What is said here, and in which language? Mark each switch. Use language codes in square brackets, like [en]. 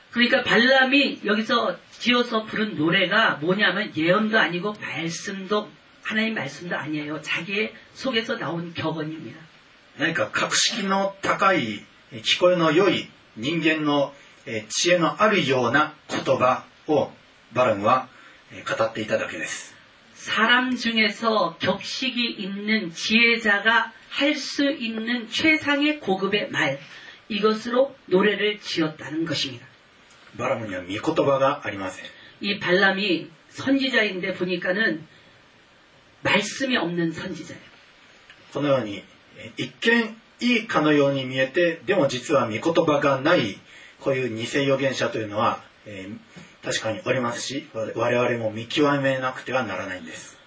[ko] 그러니까발람이여기서지어서부른노래가뭐냐면예언도아니고말씀도하나님말씀도아니에요자기의속에서나온격언입니다 [ja] 何か格式の高い聞こえの良い人間の知恵のあるような言葉をバラムは語っていただけです。 [ko] 사람중에서격식이있는지혜자가할수있는최상의고급의말이것으로노래를지었다는것입니다 [ja] 바람은요미言葉가ありません [ko] 이발람이선지자인데보니까는말씀이없는선지자예요 [ja] このように一見いいかのように見えてでも実は미言葉がないこういう偽予言者というのは、確かにおりますし我々も見極めなくてはならないんです。